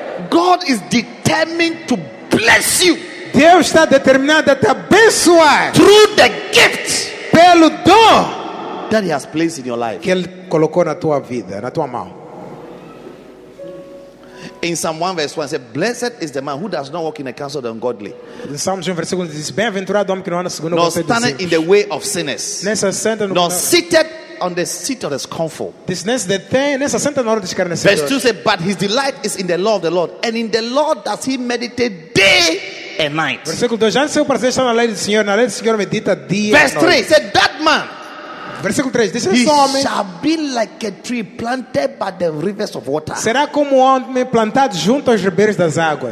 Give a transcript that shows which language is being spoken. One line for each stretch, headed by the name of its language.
English: God is determined to bless you.
Portuguese: Deus está determinado a te abençoar
English: through the gift,
Portuguese: pelo dom
English: that he has placed in your life,
Portuguese: que ele colocou na tua vida, na tua mão.
English: In Psalm 1 verse 1 says, blessed is the man who does not walk in the counsel of the ungodly. In Psalms 1 verse 1 says,
Portuguese: bem-aventurado homem que não anda segundo o conselho dos ímpios.
English: Nor standeth in the way of sinners.
Portuguese: Nem se assenta no caminho.
English: Nor seated on the seat of the scornful. This is the thing. This is the Lord's kindness. Verse 2 says, but his delight is in the law of the Lord, and in the law does he meditate day and night.
Portuguese: Versículo 2, já seu prazer está na lei do Senhor, na lei do Senhor medita dia.
English: Verse 3 said, that man.
Portuguese: Versículo 3,
English: this is
Portuguese: homem.
English: He shall be like a tree planted by the rivers of water.
Portuguese: Será como homem plantado junto aos ribeiros das águas.